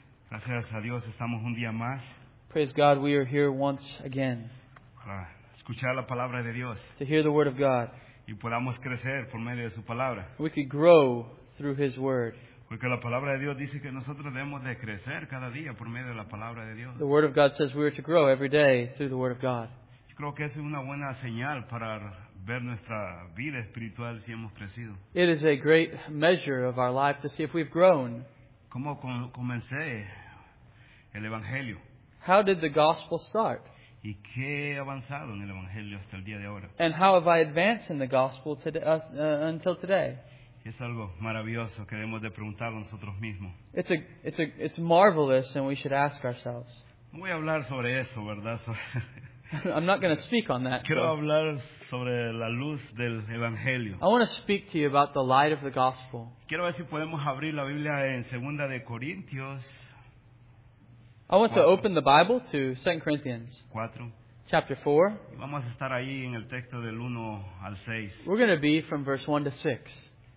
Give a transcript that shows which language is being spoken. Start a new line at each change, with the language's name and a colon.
Spanish: Gracias a Dios, estamos un día más.
English: Praise God, we are here once again.
Spanish: Para escuchar la palabra de Dios.
English: To hear the word of God.
Spanish: Y podamos crecer por medio de su palabra.
English: We could grow through his word.
Spanish: Porque la palabra de Dios dice que nosotros debemos de crecer cada día por medio de la palabra de Dios.
English: The word of God says we are to grow every day through the word of God.
Spanish: Yo creo que es una buena señal para ver nuestra vida espiritual si hemos crecido.
English: It is a great measure of our life to see if we've grown.
Spanish: ¿Cómo comencé el evangelio?
English: How did the gospel start?
Spanish: ¿Y qué he avanzado en el evangelio hasta el día de ahora?
English: And how have I advanced in the gospel today, until today?
Spanish: Es algo maravilloso que debemos de preguntar a nosotros mismos.
English: It's marvelous and we should ask ourselves.
Spanish: No voy a hablar sobre eso, ¿verdad?
English: I'm not going to speak on that.
Spanish: Quiero hablar sobre la luz del evangelio.
English: I want to speak to you about the light of the gospel.
Spanish: Quiero ver si podemos abrir la Biblia en Segunda de Corintios.
English: I want to open the Bible to 2 Corinthians.
Spanish: 4.
English: Chapter 4.
Spanish: Y vamos a estar ahí en el texto del 1 al 6.
English: We're going to be from verse 1 to 6.